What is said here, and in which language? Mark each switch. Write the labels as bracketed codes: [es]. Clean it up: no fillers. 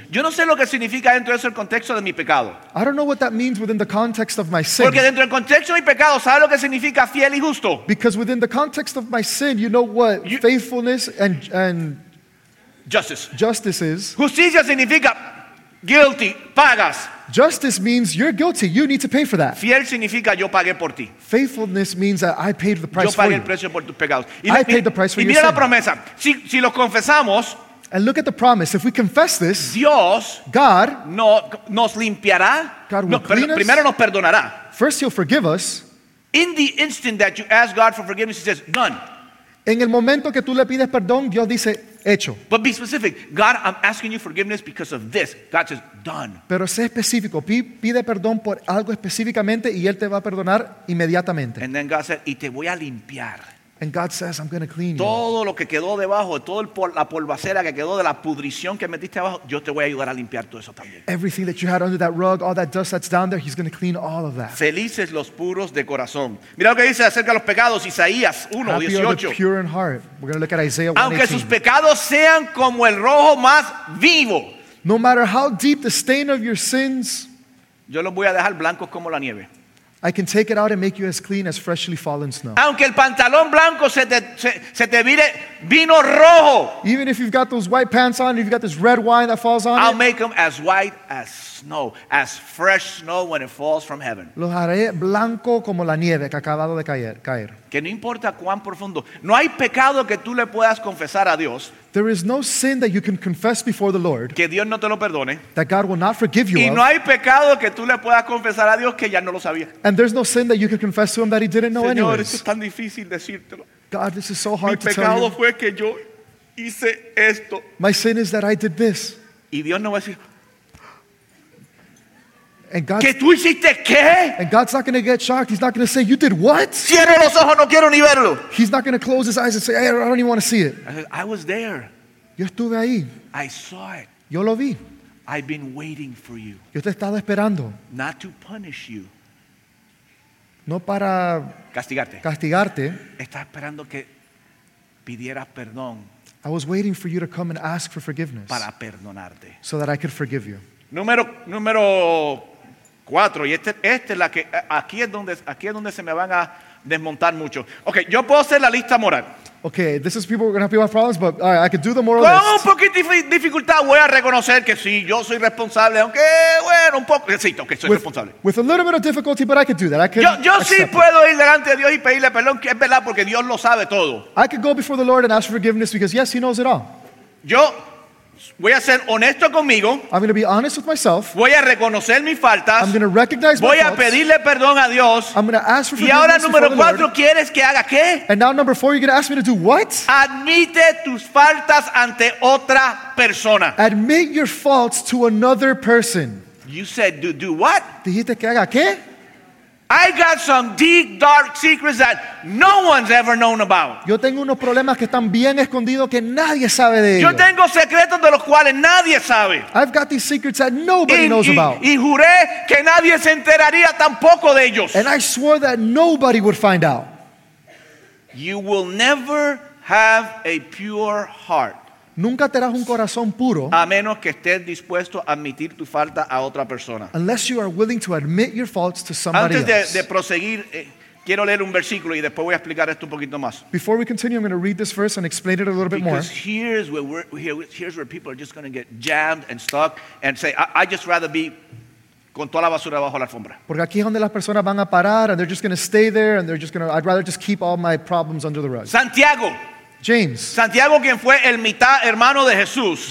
[es] Yo no sé lo que significa dentro de eso el contexto de mi pecado. [en] I don't know what that means within the context of my sin. [es] Porque dentro del contexto de mi pecado, ¿sabes lo que significa fiel y justo? [en] Because within the context of my sin, you know what faithfulness and justice is. [es] Justicia significa [en] guilty, [es] pagas. [en] Justice means you're guilty. You need to pay for that. [es] Fiel significa yo pagué por ti. [en] Faithfulness means that I paid the price [es] yo pagué el precio [en] you. [es] Por tus pecados. [en] Y I paid the price for [es] y [en] your [es] mira [en] sin. [es] La promesa. Si lo confesamos, [en] and look at the promise. If we confess this, [es] Dios, [en] God, [es] no, nos limpiará. [en] God will clean us. [es] Primero nos perdonará. [en] First he'll forgive us. In the instant that you ask God for forgiveness, he says, done. [es] En el momento que tú le pides perdón, Dios dice, hecho. [en] But be specific. God, I'm asking you forgiveness because of this. God says, done. [es] Pero sé específico. Pide perdón por algo específicamente y Él te va a perdonar inmediatamente. [en] And then God said, [es] y te voy a limpiar. [en] And God says, I'm going to clean you. [es] Todo lo que quedó debajo, toda la polvacera que quedó de la pudrición que metiste abajo, yo te voy a ayudar a limpiar todo eso también. [en] Everything that you had under that rug, all that dust that's down there, he's going to clean all of that. [es] Felices los puros de corazón. Mira lo que dice acerca de los pecados, Isaías 1:18. [en] Happy are the pure in heart. We're going to look at Isaiah 1:18. [es] Aunque sus pecados sean como el rojo más vivo. [en] No matter how deep the stain of your sins, [es] yo los voy a dejar blancos como la nieve. [en] I can take it out and make you as clean as freshly fallen snow. [es] Aunque el pantalón blanco se te vire vino rojo. [en] Even if you've got those white pants on, you've got this red wine that falls on I'll it. I'll make them as white as snow, as fresh snow when it falls from heaven. [es] Los haré blanco como la nieve que ha acabado de caer. Que no importa cuán profundo. No hay pecado que tú le puedas confesar a Dios. [en] There is no sin that you can confess before the Lord. [es] Que Dios no te lo perdone. [en] That God will not forgive you. [es] Y no hay pecado que tú le puedas confesar a Dios que ya no lo sabía. [en] And there's no sin that you can confess to him that he didn't know anyways. [es] Señor, esto es tan difícil decírtelo. [en] God, this is so hard to tell [es] you. Mi pecado fue que yo hice esto. [en] My sin is that I did this. [es] Y Dios no va a decir, [en] and God, [es] ¿que tú hiciste qué? [en] And God's not going to get shocked. He's not going to say, you did what? [es] Cierro los ojos, no quiero ni verlo. [en] He's not going to close his eyes and say, hey, I don't even want to see it. I was there. [es] Yo estuve ahí. [en] I saw it. [es] Yo lo vi. [en] I've been waiting for you. [es] Yo te he estado esperando. [en] Not to punish you. [es] No para castigarte. Castigarte. Estaba esperando que pidiera perdón. [en] I was waiting for you to come and ask for forgiveness. [es] Para perdonarte. [en] So that I could forgive you. [es] Número 4, y este es la que aquí es donde se me van a desmontar mucho. Okay, yo puedo hacer la lista moral. [en] Okay, this is people going to have problems, but all right, I could do the moral [es] con [en] list. [es] Con un poquito de dificultad voy a reconocer que sí, yo soy responsable, aunque bueno, un poco, sí, que soy responsable. [en] With a little bit of difficulty, but I could do that. I could. [es] Yo sí puedo ir delante de Dios y pedirle perdón, que es verdad, porque Dios lo sabe todo. [en] I could go before the Lord and ask for forgiveness because yes, he knows it all. [es] Yo voy a ser honesto conmigo. [en] I'm going to be honest with myself. [es] Voy a reconocer mis faltas. [en] I'm going to recognize my faults. [es] Voy a pedirle perdón a Dios. [en] I'm going to ask for [es] forgiveness. Y ahora número 4, ¿quieres que haga qué? [en] And now number 4, you're going to ask me to do what? [es] Admite tus faltas ante otra persona. [en] Admit your faults to another person. You said do what? [es] Dijiste que haga qué? [en] I got some deep dark secrets that no one's ever known about. [es] Yo tengo unos problemas que están bien escondidos que nadie sabe de ellos. Yo tengo secretos de los cuales nadie sabe. [en] I've got these secrets that nobody knows about. [es] Y juré que nadie se enteraría tampoco de ellos. [en] And I swore that nobody would find out. You will never have a pure heart. [es] Nunca tendrás un corazón puro. A menos que estés dispuesto a admitir tu falta a otra persona. [en] Unless you are willing to admit your faults to somebody else. [es] Antes de proseguir, quiero leer un versículo y después voy a explicar esto un poquito más. [en] Before we continue, I'm going to read this verse and explain it a little bit more. Because here's where people are just going to get jammed and stuck and say, I just rather be [es] con toda la basura bajo la alfombra. Porque aquí es donde las personas van a parar [en] and they're just going to stay there and they're just going to, I'd rather just keep all my problems under the rug. [es] Santiago. [en] James. [es] Santiago, quien fue el mitad hermano de Jesús.